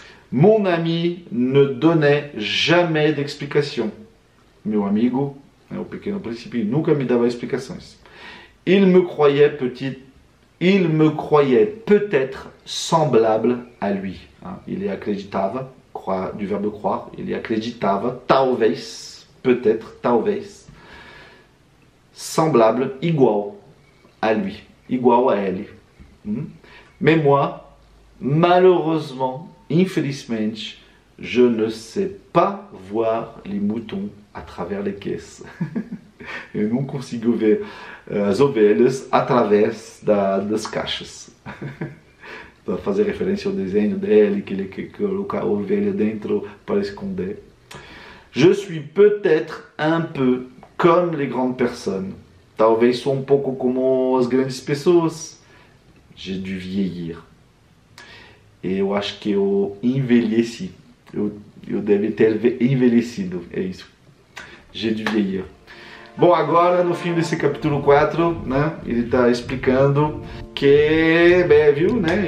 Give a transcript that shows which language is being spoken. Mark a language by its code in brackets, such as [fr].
[fr] Mon ami ne donnait jamais d'explication. [pt] Meu amigo, o pequeno príncipe, nunca me dava explicações. [fr] Il me croyait peut-être semblable à lui. [pt] Il y acreditava, [fr] du verbe croire, [pt] il y acreditava, talvez, [fr] peut-être, [pt] talvez, [fr] semblable, [pt] igual. [fr] À lui, [pt] igual à elle. [fr] Mais moi, malheureusement, [pt] infelizmente, [fr] je ne sais pas voir les moutons à travers les caisses. [pt] Eu não consigo ver as ovelhas através das caixas. Para fazer referência ao desenho dele, que ele coloca a ovelha dentro para esconder. [fr] Je suis peut-être un peu comme les grandes personnes. [pt] Talvez sou um pouco como as grandes pessoas. [fr] J'ai dû vieillir. [pt] Eu acho que eu envelheci. Eu deve ter envelhecido. É isso. [fr] J'ai dû vieillir. [pt] Bom, agora no fim desse capítulo 4, né? Ele está explicando que, bem, viu, né?